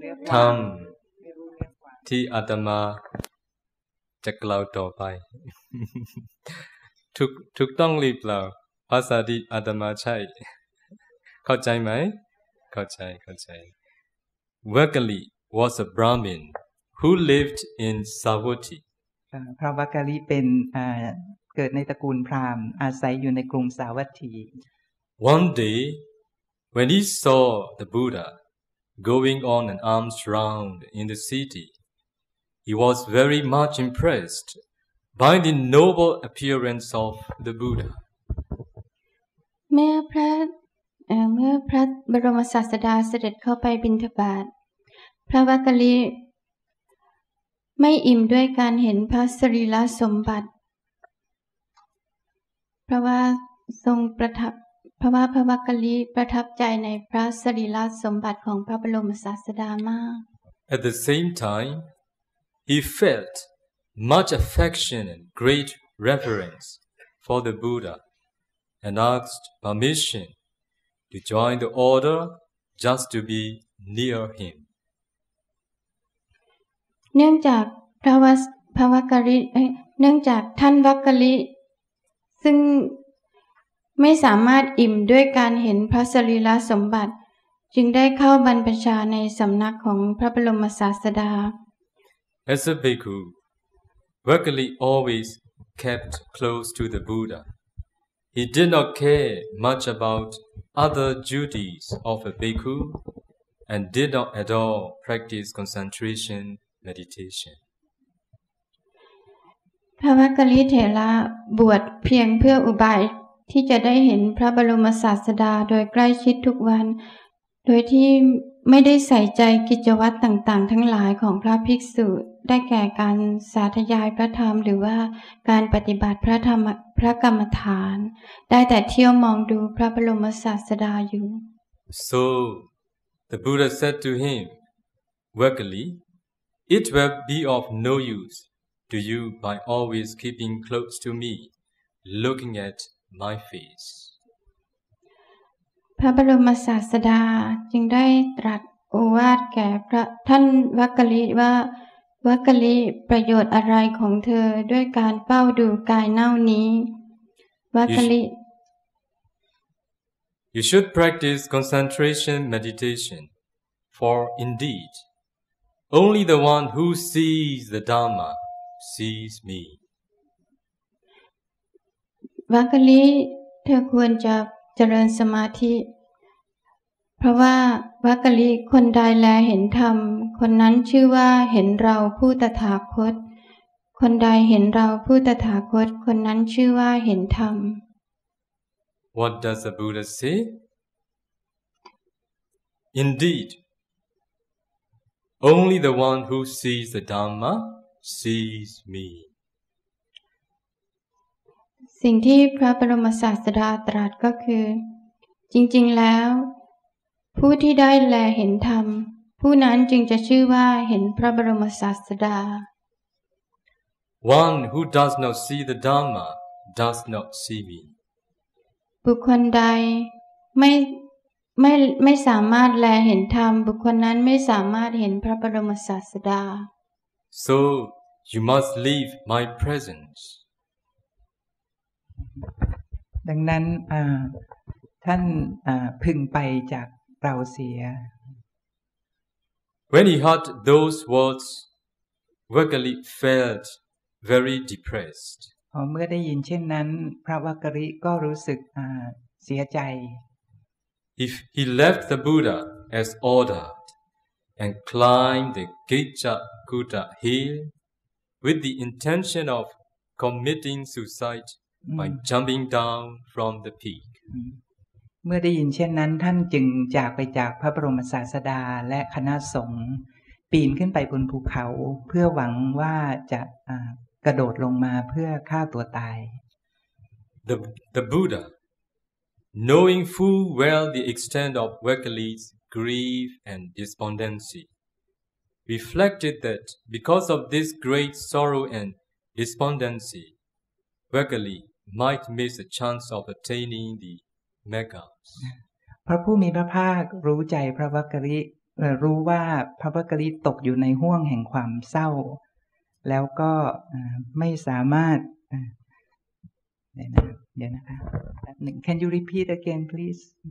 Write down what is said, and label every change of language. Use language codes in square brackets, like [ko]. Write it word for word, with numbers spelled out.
[th] ธรรมที่อาตมาจะกล่าวต่อไป ถูกถูกต้องหรือเปล่าภาษาที่อาตมาใช้เข้าใจไหมเข้าใจเข้าใจ [en] Wakali was a Brahmin who lived in Savoti. [th] พระวักกลิเป็นเกิดในตระกูลพราหมณ์อาศัยอยู่ในกรุงสาวัตถี [en] One day. When he saw the Buddha going on an arms round in the city, he was very much impressed by the noble appearance of the Buddha. [th] เมื่อพระเมื่อพระบรมศาสดาเสด็จเข้าไปบิณฑบาตพระวักกลิไม่อิ่มด้วยการเห็นพระสรีระสมบัติเพราะว่าทรงประทับเพราะว่าพระวักกลิประทับใจในพระสรีระสมบัติของพระบรมศาสดามาก [en] At the same time, he felt much affection and great reverence for the Buddha and asked permission to join the order just to be near him. [th] เนื่องจากพระวักกลิเนื่องจากท่านวักกลิซึ่งไม่สามารถอิ่มด้วยการเห็นพระสรีระสมบัติจึงได้เข้าบรรพชาในสำนักของพระบรมศาสดา [en] As a bhikkhu, Wakali always kept close to the Buddha. He did not care much about other duties of a bhikkhu and did not at all practice concentration meditation. [th] พระวักกลิเถระบวชเพียงเพื่ออุบายที่จะได้เห็นพระบรมศาสดาโดยใกล้ชิดทุกวัน โดยที่ไม่ได้ใส่ใจกิจวัตรต่างๆทั้งหลายของพระภิกษุได้แก่การสาธยายพระธรรมหรือว่าการปฏิบัติพระธรรมพระกรรมฐานได้แต่เที่ยวมองดูพระบรมศาสดาอยู่ [en] So the Buddha said to him, Vakali, it will be of no use to you by always keeping close to me, looking at my face. [th] พระบรมศาสดาจึงได้ตรัสโอวาทแก่พระท่านวักกลิว่าวักกลิประโยชน์อะไรของเธอด้วยการเฝ้าดูกายเน่านี้วักกลิ [en] you, sh- you should practice concentration meditation, for indeed, only the one who sees the Dhamma sees me. [th] วักกลิเธอควรจะเจริญสมาธิเพราะว่าวักกลิคนใดแลเห็นธรรมคนนั้นชื่อว่าเห็นเราผู้ตถาคตคนใดเห็นเราผู้ตถาคตคนนั้นชื่อว่าเห็นธรรม [en] What does the Buddha say? Indeed, only the one who sees the Dhamma sees me. [th] สิ่งที่พระบรมศาสดาตรัสก็คือจริงๆแล้วผู้ที่ได้แลเห็นธรรมผู้นั้นจึงจะชื่อว่าเห็นพระบรมศาสดา [en] One who does not see the Dhamma does not see me. [th] บุคคลใดไม่ไม่ไม่สามารถแลเห็นธรรมบุคคลนั้นไม่สามารถเห็นพระบรมศาสดา [en] So you must leave my presence. [th] ดังนั้นท่านพึงไปจากเราเสีย [en] When he heard those words, Vakali felt very depressed. [th] เมื่อได้ยินเช่นนั้นพระวักกลิก็รู้สึกเสียใจ [en] If he left the Buddha as ordered and climbed the Gechakuta hill with the intention of committing suicide. by jumping down from the peak. [th] เมื่อได้ยินเช่นนั้นท่านจึงจากไปจากพระบรมศาสดาและคณะสงฆ์ปีนขึ้นไปบนภูเขาเพื่อหวังว่าจะกระโดดลงมาเพื่อฆ่าตัวตาย [en] The the Buddha, knowing full well the extent of Vakali's grief and despondency, reflected that because of this great sorrow and despondency, Vakali might miss a chance of attaining the Meghaus. [th] พระผู้มีพระภาครู้ใจพระวักกลิรู้ว่าพระวักกลิตกอยู่ในห้วงแห่งความเศร้าแล้วก็ไม่สามารถเดี๋ยวนะคะหนึ่ง [en] Can you repeat again, please?